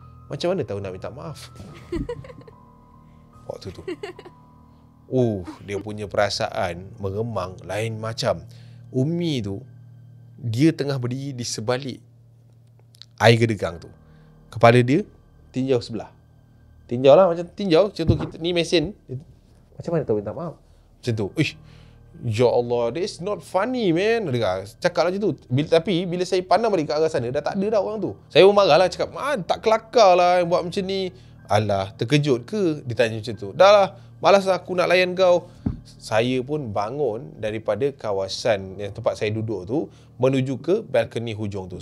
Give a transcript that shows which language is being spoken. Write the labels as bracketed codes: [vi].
[ms] Macam mana tahu nak minta maaf? Waktu tu. Dia punya perasaan meremang lain macam. Umi tu, dia tengah berdiri di sebalik air gedegang tu. Kepala dia tinjau sebelah. Tinjau lah macam tinjau. Macam tu kita, ni mesin. Macam mana tahu minta maaf? Macam tu. [en] Ish, ya Allah, that's not funny man. [ms] Cakap lah macam tu. Tapi bila saya pandang balik ke arah sana, dah tak ada dah orang tu. Saya pun marah lah, cakap, tak kelakar lah yang buat macam ni. Alah, terkejut ke? Dia tanya macam tu. Dah lah, malas aku nak layan kau. Saya pun bangun daripada kawasan yang tempat saya duduk tu menuju ke balcony hujung tu.